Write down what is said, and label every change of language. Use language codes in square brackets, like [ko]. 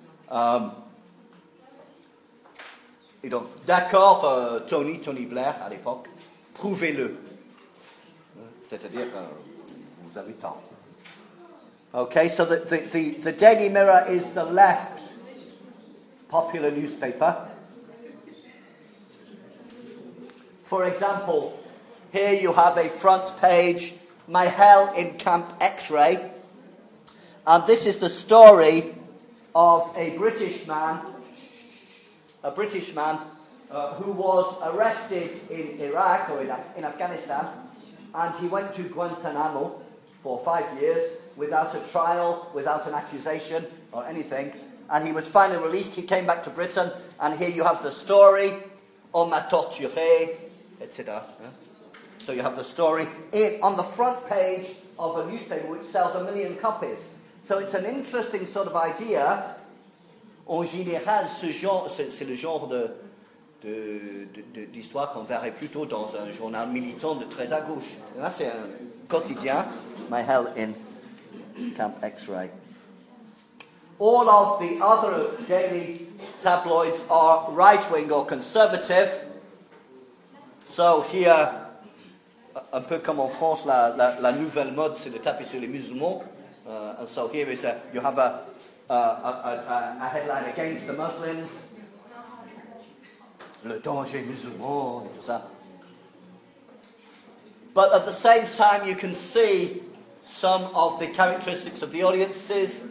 [fr] Et donc, d'accord, Tony Blair, à l'époque, prouvez-le. C'est-à-dire, vous avez tort. [en] Okay, so the Daily Mirror is the left popular newspaper. For example, here you have a front page, My Hell in Camp X-Ray. And this is the story of a British man who was arrested in Iraq or in Afghanistan, and he went to Guantanamo for 5 years without a trial, without an accusation or anything, and he was finally released. He came back to Britain, and here you have the story, On m'a torturé, etc. Yeah. So you have the story on the front page of a newspaper which sells a million copies. So it's an interesting sort of idea. [fr] En général, c'est le genre d'histoire qu'on verrait plutôt dans un journal militant de très à gauche. Là, c'est un quotidien, My Hell in Camp X-Ray. [en] All of the other daily tabloids are right-wing or conservative. [fr] So here, un peu comme en France, la nouvelle mode, c'est de taper sur les musulmans. [en] And so here is a headline against the Muslims. [fr] Le danger musulman, et tout ça. [en] But at the same time, you can see some of the characteristics of the audiences.